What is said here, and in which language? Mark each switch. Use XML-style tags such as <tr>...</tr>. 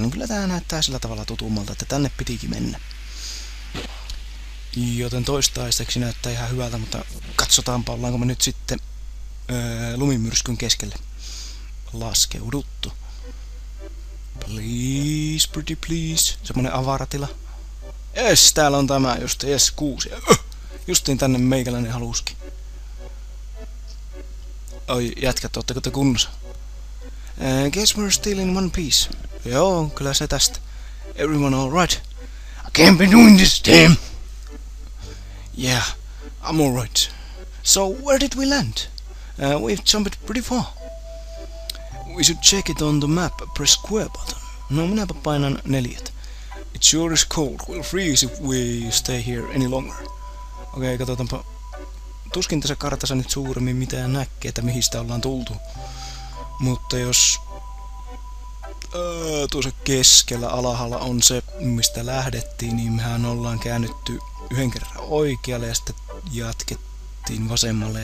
<fi>Niin kyllä tämä näyttää sillä tavalla tutummalta, että tänne pitikin mennä. Joten toistaiseksi näyttää ihan hyvältä, mutta katsotaanpa, ollaanko me nyt sitten lumimyrskyn keskelle laskeuduttu.</fi> <en>Please, pretty please.</en> <fi>Semmonen avaratila. Yes, täällä on tämä just. Yes, kuusi. Justiin tänne meikäläinen haluski. Oi, jätkät, ootteko te kunnossa?</fi> <en>Guess we're still in one piece.</en> <fi>Joo, kyllä se tästä.</fi> <en>Everyone all right? I can't be doing this, damn! Yeah, I'm all right. So, where did we land? We've jumped pretty far. We should check it on the map. Press square button.</en> <fi>No, minäpä painan neljät.</fi> <en>It sure is cold. We'll freeze if we stay here any longer.</en> <fi>Okei, katsotaanpa. Tuskin tässä kartassa nyt suuremmin mitään näkee, että mihin sitä ollaan tultu. Mutta jos tuossa keskellä alhaalla on se, mistä lähdettiin, niin mehän ollaan käännytty yhden kerran oikealle ja sitten jatkettiin vasemmalle.</fi>